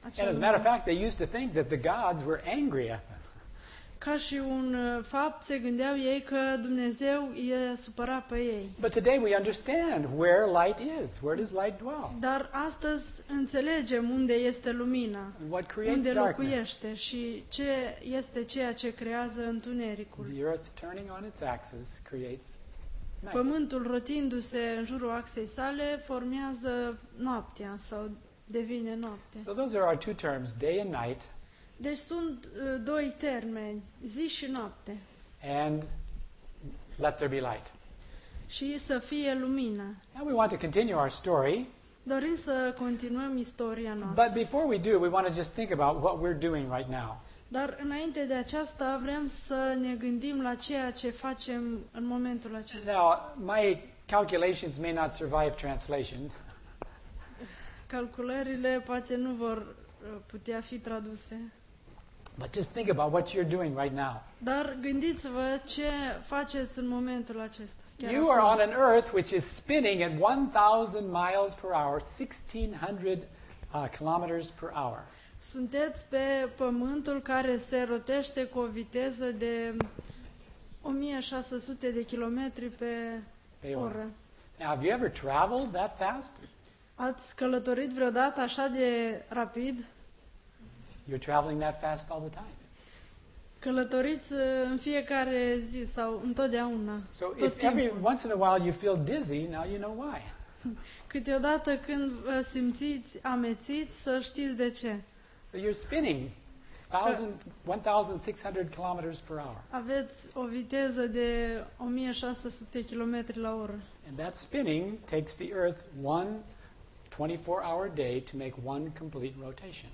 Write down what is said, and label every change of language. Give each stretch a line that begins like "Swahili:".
English: And as a matter of fact, they used to think that the gods were angry at them.
Romanian: Ca și un fapt, se gândeau ei că Dumnezeu i-a supărat pe ei.
English: But today we understand where light is. Where does light dwell?
Romanian: Dar astăzi înțelegem unde este lumina.
English: What creates
Romanian: unde
English: darkness?
Romanian: Locuiește și ce este ceea ce creează întunericul.
English: The earth turning on its axis creates night.
Romanian: Pământul rotindu-se în jurul axei sale formează noaptea sau devine noapte.
English: So those are our two terms, day and night.
Romanian: Deci sunt doi termeni, zi și noapte.
English: And let there be light.
Romanian: Și să fie lumină.
English: And we want to continue our story.
Romanian: Dorim să continuăm istoria noastră.
English: But before we do, we want to just think about what we're doing right now.
Romanian: Dar înainte de aceasta, vrem să ne gândim la ceea ce facem în momentul acesta.
English: Now, my calculations may not survive translation.
Romanian: Calculările poate nu vor putea fi traduse.
English: But just think about what you're doing right now.
Romanian: Dar gândiți-vă ce faceți în momentul acesta.
English: You are on an earth which is spinning at 1000 miles per hour, 1600 kilometers per hour.
Romanian: Sunteți pe pământul care se rotește cu o viteză de 1600 de kilometri pe oră.
English: Now, have you ever traveled that fast?
Romanian: Ați călătorit vreodată așa de rapid?
English: You're traveling that fast all the time.
Romanian: Călătoriți în fiecare zi sau întotdeauna.
English: So
Romanian: tot
English: if
Romanian: timpul.
English: Every once in a while you feel dizzy, now you know why.
Romanian: Câteodată când vă simțiți amețiți, să știți de ce.
English: So you're spinning 1600 kilometers per hour.
Romanian: Aveți o viteză de 1600 kilometri la oră.
English: And that spinning takes the earth 24-hour day to make one complete rotation.